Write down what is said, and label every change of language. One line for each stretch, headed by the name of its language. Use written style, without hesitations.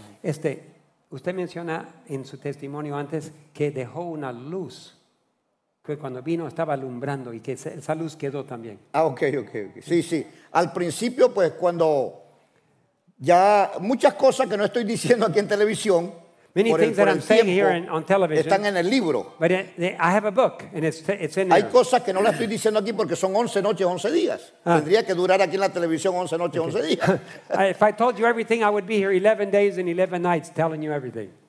Spanish: Usted menciona en su testimonio antes que dejó una luz que cuando vino estaba alumbrando y que esa luz quedó también. Ah, okay. Sí, sí. Al principio, pues, cuando ya muchas cosas que no estoy diciendo aquí en televisión.
English: Many things that I'm saying here on television.
Spanish: Están en el libro.
English: But I have a book and it's in there.
Spanish: Hay cosas que no las estoy diciendo aquí porque son 11 noches, 11 días. Tendría que durar aquí en la televisión 11 noches, 11 días.
English: If I told you everything, I would be here 11 days and 11 nights telling you everything.